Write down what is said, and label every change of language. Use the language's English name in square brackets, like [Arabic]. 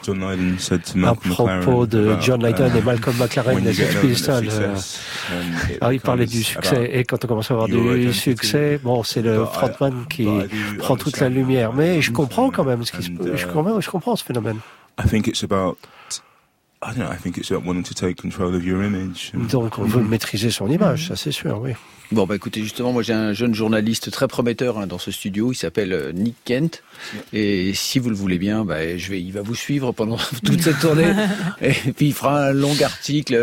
[English] John Lydon said to Malcolm McLaren. [French] À propos de John Lydon et Malcolm McLaren, les Sex Pistols. Ah, il parlait du succès et quand on commence à avoir du succès, bon, c'est le frontman qui prend toute la lumière. Mais je comprends quand même ce qui se passe. Je comprends ce phénomène. [English] I think it's about. I don't know, I think it's about wanting to take control of your image. [French] Donc on veut maîtriser son image, ça c'est sûr, oui. Bon, bah écoutez, justement, moi j'ai un jeune journaliste très prometteur hein, dans ce studio, il s'appelle Nick Kent, et si vous le voulez bien, bah, il va vous suivre pendant toute cette tournée, et puis il fera un long article.